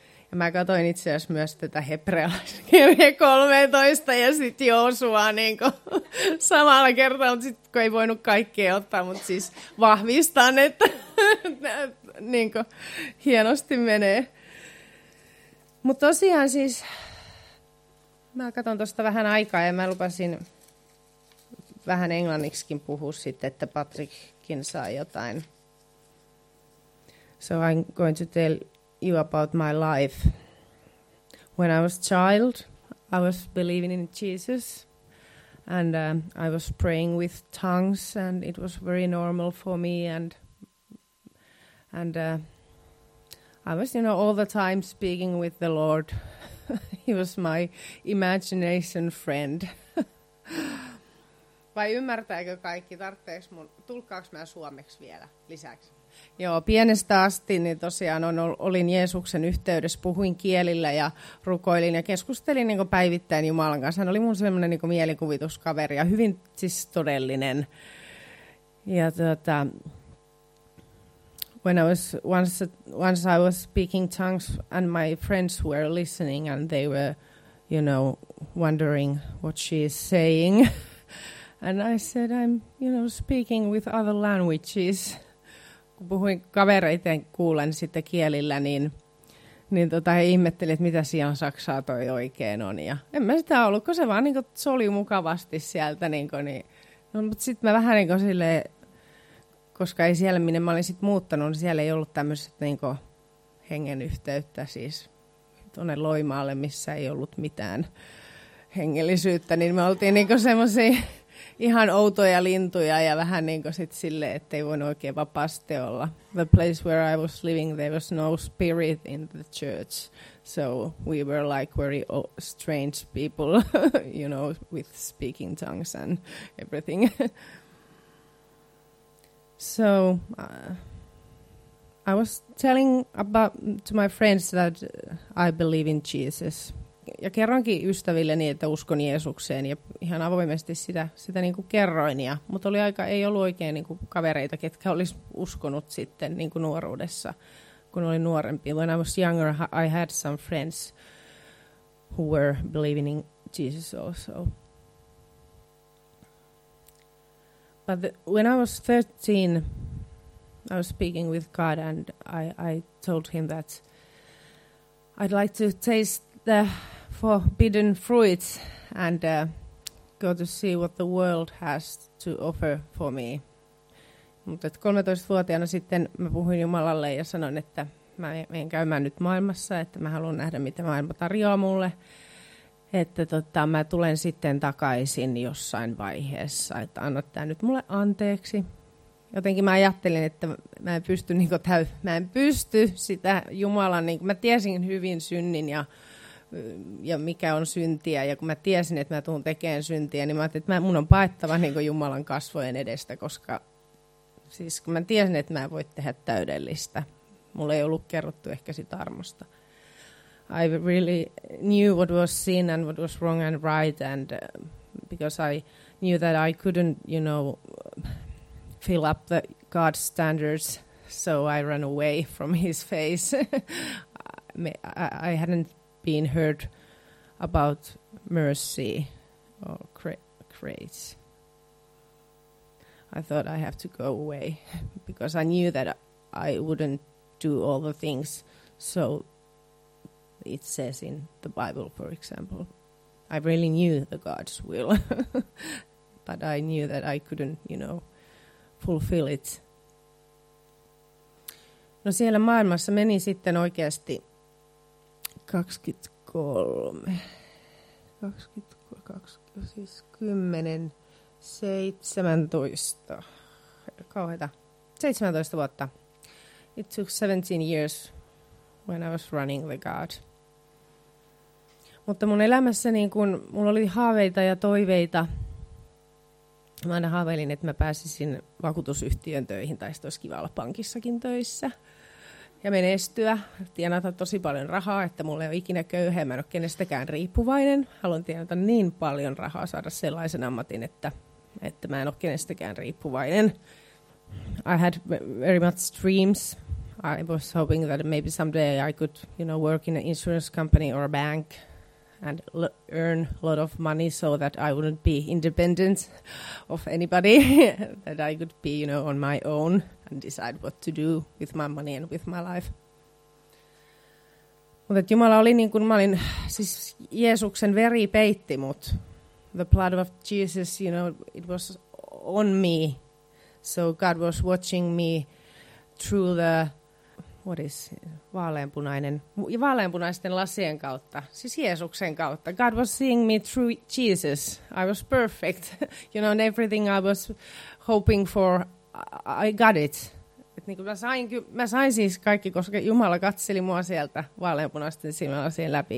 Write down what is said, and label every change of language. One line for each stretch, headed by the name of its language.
Finnish: Ja mä katsoin itse asiassa myös tätä hebrealaiskirjeen 13 ja sitten Joosuaa niin samalla kertaa, mutta sitten kun ei voinut kaikkea ottaa, mutta siis vahvistan, että niin kuin, hienosti menee. Mutta tosiaan siis, mä katson tuosta vähän aikaa ja mä lupasin vähän englanniksikin puhua sitten, että Patrickkin saa jotain.
English: So I'm going to tell you about my life. When I was a child, I was believing in Jesus and I was praying with tongues and it was very normal for me and I was, you know, all the time speaking with the Lord. He was my imagination friend.
Finnish: Vai ymmärtääkö kaikki? Tarvitseeko mun, tulkkaaks mä suomeksi vielä lisäksi? Joo, pienestä asti niin tosiaan olin Jeesuksen yhteydessä, puhuin kielillä ja rukoilin ja keskustelin niin kuin päivittäin Jumalan kanssa. Hän oli mun semmoinen niin kuin mielikuvituskaveri ja hyvin siis todellinen.
English: Ja when I was speaking tongues and my friends were listening and they were, you know, wondering what she is saying. And I said, I'm, you know, speaking with other languages.
Finnish: Kun puhuin kavereiden kuulen sitten kielillä, niin he ihmetteli, että mitä sijaan saksaa toi oikein on. Ja en mä sitä ollut, kun se vaan niin kuin soli mukavasti sieltä. Mutta sitten mä vähän niin kuin silleen, koska ei siellä, minne mä olin sitten muuttanut, niin siellä ei ollut tämmöiset niin kuin hengen yhteyttä siis tuonne Loimaalle, missä ei ollut mitään hengellisyyttä. Niin me oltiin niin kuin semmoisia ihan outoja lintuja ja vähän niin kuin sitten silleen, että ei voinut oikein vapaasti olla.
English: The place where I was living, there was no spirit in the church. So we were like very strange people, you know, with speaking tongues and everything. So I was telling about to my friends that I believe in Jesus.
Finnish: Ja kerroinkin ystäville niin, että uskon Jeesukseen ja ihan avoimesti sitä niin kuin kerroin. Mutta ei ollut oikein niin kuin kavereita, ketkä olisi uskonut sitten niin kuin nuoruudessa, kun olin nuorempi.
English: When I was younger, I had some friends who were believing in Jesus also. But when I was 13, I was speaking with God and I told him that I'd like to taste the forbidden fruits and go to see what the world has to offer for me.
Finnish: Mutta 13-vuotiaana sitten mä puhuin Jumalalle ja sanoin, että mä en käymään nyt maailmassa, että mä haluan nähdä, mitä maailma tarjoaa mulle. Että mä tulen sitten takaisin jossain vaiheessa, että anna tää nyt mulle anteeksi. Jotenkin mä ajattelin, että mä en pysty sitä Jumalan, niin kuin mä tiesin hyvin synnin ja mikä on syntiä, ja kun mä tiesin, että mä tuun tekemään syntiä, niin mä ajattelin, että mun on paettava niin kuin Jumalan kasvojen edestä, koska siis kun mä tiesin, että mä en voi tehdä täydellistä. Mulla ei ollut kerrottu ehkä sitä armosta.
English: I really knew what was sin and what was wrong and right, and because I knew that I couldn't, you know, fill up the God's standards, so I ran away from his face. I hadn't been heard about mercy or grace. I thought I have to go away because I knew that I wouldn't do all the things so it says in the Bible, for example. I really knew the God's will, but I knew that I couldn't, you know, fulfill it.
Finnish: No siellä maailmassa meni sitten oikeasti 17 vuotta.
English: It took 17 years when I was running the God.
Finnish: Mutta mun elämässä niin kun mulla oli haaveita ja toiveita. Mä aina haaveilin, että mä pääsisin vakuutusyhtiön töihin, tai sitten olisi kiva olla pankissakin töissä ja menestyä. Tienata tosi paljon rahaa, että mulla ei ole ikinä köyhä, mä en ole kenestäkään riippuvainen. Haluan tienata niin paljon rahaa, saada sellaisen ammatin, että mä en ole kenestäkään riippuvainen.
English: I had very much dreams. I was hoping that maybe someday I could, you know, work in an insurance company or a bank and earn a lot of money so that I wouldn't be independent of anybody, that I could be, you know, on my own and decide what to do with my money and with my life.
Finnish: Mutta Jumala oli niin kuin, mä olin, siis Jeesuksen veri peitti mut.
English: The blood of Jesus, you know, it was on me. So God was watching me through the, what is,
Finnish: vaaleanpunaisten lasien kautta, siis Jeesuksen kautta.
English: God was seeing me through Jesus. I was perfect. You know, and everything I was hoping for, I got it.
Finnish: Et niin kuin mä sain siis kaikki, koska Jumala katseli mua sieltä vaaleanpunaisten silmälasien läpi.